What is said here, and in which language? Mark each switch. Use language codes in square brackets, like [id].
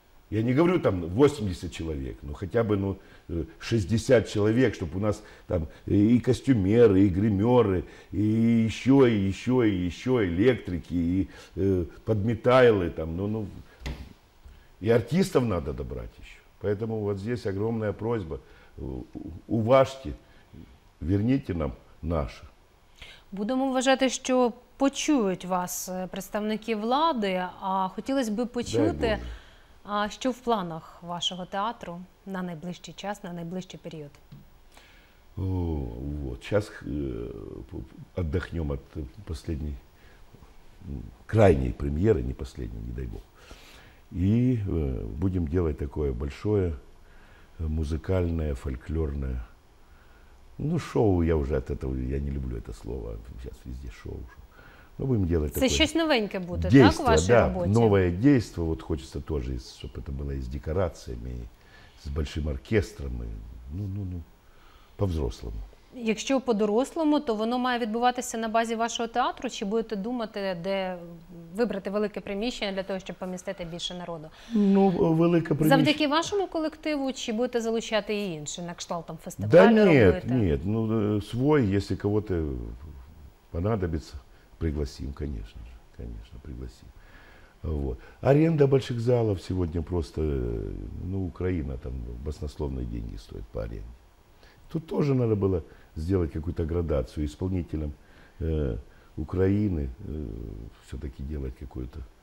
[ru] Я не говорю там 80 человек, но хотя бы 60 человек, чтобы у нас там и костюмеры, и гримеры, и еще электрики, и подметайлы. И артистов надо добрать еще. Поэтому вот здесь огромная просьба. Уважьте, верните нам наше. [uk] Будемо вважати, що почують вас представники влади, а хотілося б почути, що в планах вашого театру на найближчий час, на найближчий період. Зараз віддохнемо від останньої, крайньої прем'єри, не останньої, не дай Бог. І будемо робити таке велике музикальне, фольклорне. [ru] Шоу, я не люблю это слово, сейчас везде шоу. Ну, будем делать такое. Это что-то новенькое будет, действие, так, в вашей работе? Новое действие, вот хочется тоже, чтобы это было и с декорациями, и с большим оркестром, и, по-взрослому. Если [uk] по-дорослому, то [ru] оно [uk] має відбуватися [ru] на базе вашего театра, [uk] чи будете думати, де вибрати велике приміщення для того, щоб помістити більше народу? Велике приміщення. Завдяки вашому колективу, чи будете залучати і інші, на кшталт фестивалю робити? [ru] Да нет, свой, если кого-то понадобится, пригласим, конечно же, пригласим. Вот. Аренда больших залов сегодня просто, ну, Украина там баснословные деньги стоит по аренде. Тут тоже надо было сделать какую-то градацию исполнителям Украины, все-таки делать какую-то...